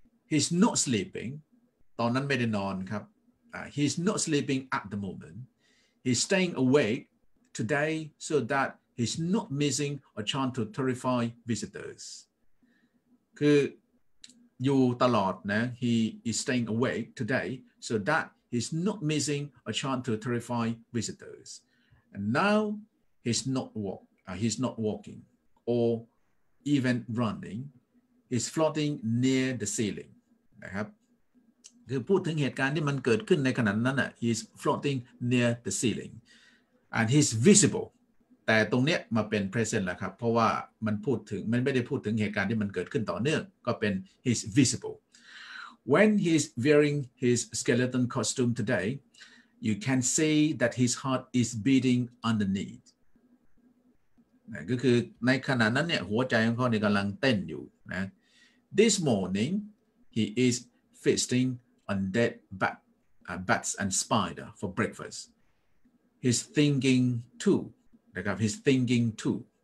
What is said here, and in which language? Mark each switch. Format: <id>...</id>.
<en>he's not sleeping</en> <th>ตอนนั้นไม่ได้นอนครับ</th> <en>he's not sleeping at the moment he's staying awake today so that he's not missing a chance to terrify visitors</en> <th>คืออยู่ตลอดนะ</th> <en>he is staying awake today so thatHe's not missing a chance to terrify visitors. And now he's not walking or even running. He's floating near the ceiling.</en> <th>นะครับคือพูดถึงเหตุการณ์ที่มันเกิดขึ้นในขณะนั้นน่ะ</th> <en>he's floating near the ceiling. And he's visible.</en> <th>แต่ตรงเนี้ยมาเป็น present แล้วครับเพราะว่ามันไม่ได้พูดถึงเหตุการณ์ที่มันเกิดขึ้นต่อเนื่องก็เป็น</th> <en>he's visible. When he's wearing his skeleton costume today, you can see that his heart is beating underneath.</en> <th>ก็คือในขณะนั้นเนี่ยหัวใจของเขาเนี่ยกำลังเต้นอยู่นะ</th> <en>This morning, he is feasting on dead bats and spider for breakfast. He's thinking too.</en> <th>นะครับ</th> <en>He's thinking too.</en>